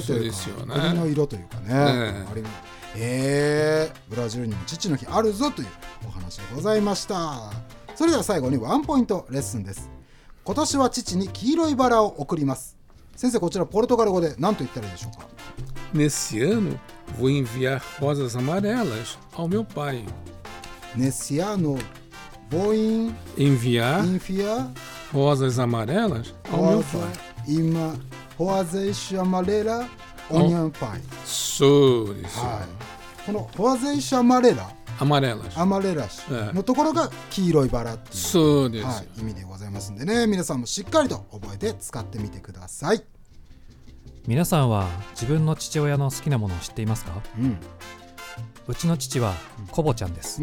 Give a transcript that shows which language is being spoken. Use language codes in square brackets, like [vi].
[ja] そうですよね。国の色というかね。ね、あれ、ブラジルにも父の日あるぞというお話でございました。それでは最後にワンポイントレッスンです。今年は父に黄色いバラを贈ります。先生、こちらポルトガル語で何と言ったらいいでしょうか。 [pt] Nesse ano, vou enviar rosas amarelas ao meu pai. Nesse ano, vou enviar rosas amarelas ao meu pai. Ima rosas amarelas ao meu pai. [ja] そうですよ。はい。この [pt] rosas amarelas、 [ja] amarelas、 amarelas のところが黄色いバラっていう、そうです、はい、意味でございますんでね、皆さんもしっかりと覚えて使ってみてください。皆さんは自分の父親の好きなものを知っていますか。うん、うちの父はコボちゃんです。